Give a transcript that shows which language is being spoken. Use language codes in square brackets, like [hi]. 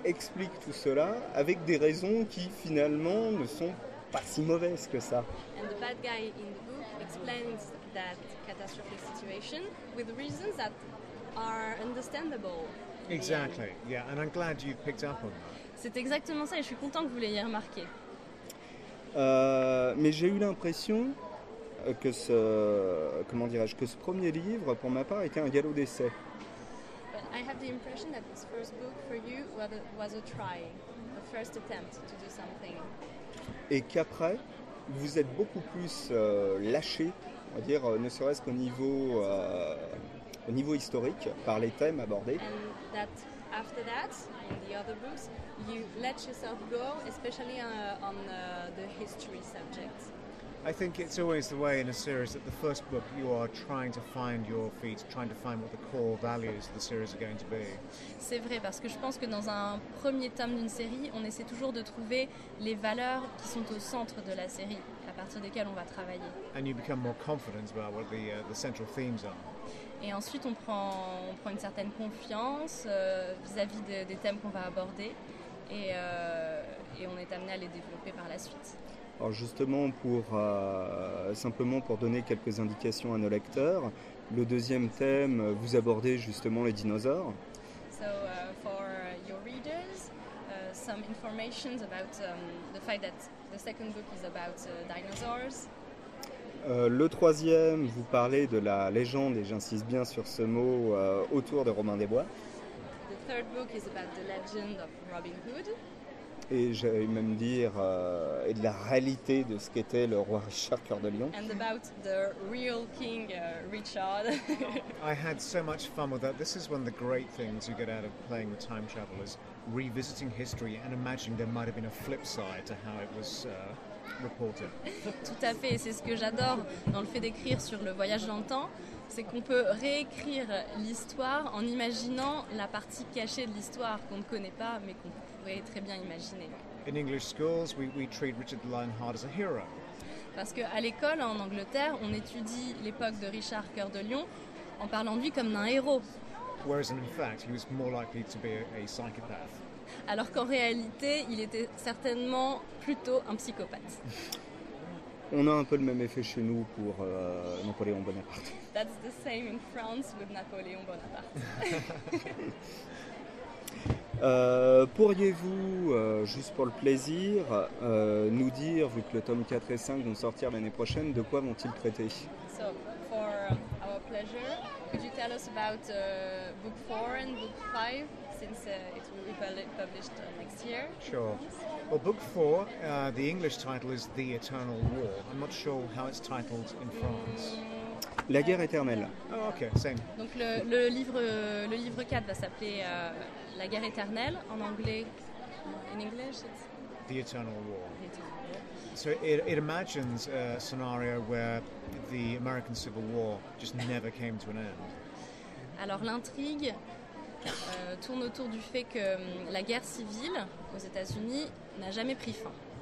[fr] Explique tout cela avec des raisons qui finalement ne sont pas si mauvaises que ça. [en] And the bad guy in the book explains that catastrophic situation with reasons that are understandable. Exactly. Yeah, and I'm glad you picked up on that. [fr] C'est exactement ça et je suis content que vous l'ayez remarqué. Mais j'ai eu l'impression que ce premier livre pour ma part était un galop d'essai. [en] But I have the impression that this first book for you was a try, a first attempt to do something. [fr] Et qu'après, vous êtes beaucoup plus lâché, on va dire, ne serait-ce qu'au niveau historique par les thèmes abordés. [en] And that after that, in the other books, you let yourself go, especially on the history subject. I think it's always the way in a series that the first book you are trying to find your feet, trying to find what the core values of the series are going to be. [fr] C'est vrai parce que je pense que dans un premier tome d'une série, on essaie toujours de trouver les valeurs qui sont au centre de la série, à partir desquelles on va travailler. [en] And you become more confident about what the central themes are. [fr] Et ensuite, on prend une certaine confiance vis-à-vis des thèmes qu'on va aborder, et on est amené à les développer par la suite. Alors justement, pour donner quelques indications à nos lecteurs, le deuxième thème, vous abordez justement les dinosaures. [en] So for your readers, some informations about the fact that the second book is about dinosaurs. [fr] Le troisième, vous parlez de la légende, et j'insiste bien sur ce mot, autour de Robin des Bois. [en] The third book is about the legend of Robin Hood. [fr] Et j'allais même dire et de la réalité de ce qu'était le roi Richard Cœur de Lion. [en] And about the real king Richard. I had so much fun with that. This is one of the great things you get out of playing with time travel is revisiting history and imagining there might have been a flip side to how it was reported. [fr] Tout à fait, c'est ce que j'adore dans le fait d'écrire sur le voyage dans le temps, c'est qu'on peut réécrire l'histoire en imaginant la partie cachée de l'histoire qu'on ne connaît pas mais qu'on pourrait très bien imaginer. [en] In English schools, we treat Richard the Lionheart as a hero. [fr] Parce qu'à l'école en Angleterre, on étudie l'époque de Richard Cœur de Lion en parlant de lui comme d'un héros. [en] Whereas in fact, he was more likely to be a psychopath. [fr] Alors qu'en réalité, il était certainement plutôt un psychopathe. On a un peu le même effet chez nous pour Napoléon Bonaparte. [en] That's the same in France with Napoléon Bonaparte. [fr] Pourriez-vous, juste pour le plaisir, nous dire, vu que le tome 4 et 5 vont sortir l'année prochaine, de quoi vont-ils traiter ? [en] So, for our pleasure, could you tell us about book 4 and book 5? Since it will be published next year. Sure. Well, book four, the English title is The Eternal War. I'm not sure how it's titled in France. [fr] La guerre éternelle. [en] Oh, okay, same. [fr] Donc le livre 4 va s'appeler La guerre éternelle en anglais. [en] In English, it's The Eternal War. The Eternal War. So it imagines a scenario where the American Civil War just never came to an end. [fr] Alors l'intrigue tourne autour du fait que la guerre civile aux États-Unis n'a jamais pris fin.